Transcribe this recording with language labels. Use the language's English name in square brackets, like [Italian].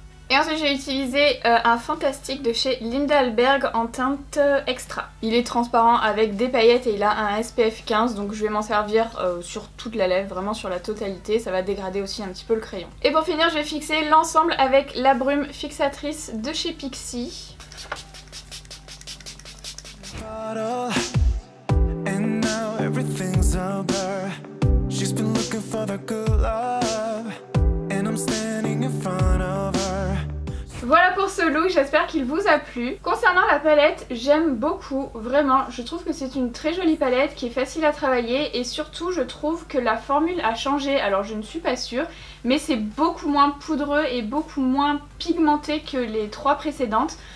[French] Et ensuite j'ai utilisé un fantastique de chez Linda Alberg en teinte extra. Il est transparent avec des paillettes et il a un SPF 15, donc je vais m'en servir sur toute la lèvre, vraiment sur la totalité. Ça va dégrader aussi un petit peu le crayon. Et pour finir je vais fixer l'ensemble avec la brume fixatrice de chez Pixi. [English] And now everything's over. She's been looking for the good love. And I'm standing in front of her. [French] Voilà pour ce look, j'espère qu'il vous a plu. Concernant la palette, j'aime beaucoup, vraiment. Je trouve que c'est une très jolie palette qui est facile à travailler et surtout je trouve que la formule a changé. Alors je ne suis pas sûre, mais c'est beaucoup moins poudreux et beaucoup moins pigmenté que les trois précédentes.